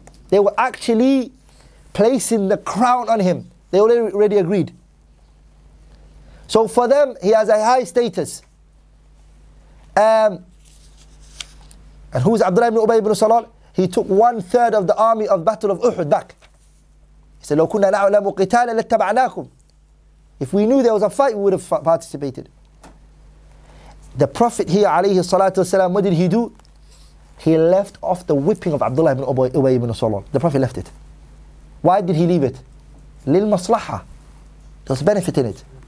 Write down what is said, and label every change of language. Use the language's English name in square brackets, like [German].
[English] They were actually placing the crown on him. They already agreed. So for them, he has a high status. And who is Abdullah ibn Ubay ibn Salul? He took one third of the army of Battle of Uhud back. [Arabic] He said, لو كنا نعلم قتالا لاتبعناكم. [English] If we knew there was a fight, we would have participated. The Prophet here, alayhi salatu wasalam, what did he do? He left off the whipping of Abdullah ibn Ubay ibn Salul. The Prophet left it. Why did he leave it? للمصلحة. There was benefit in it.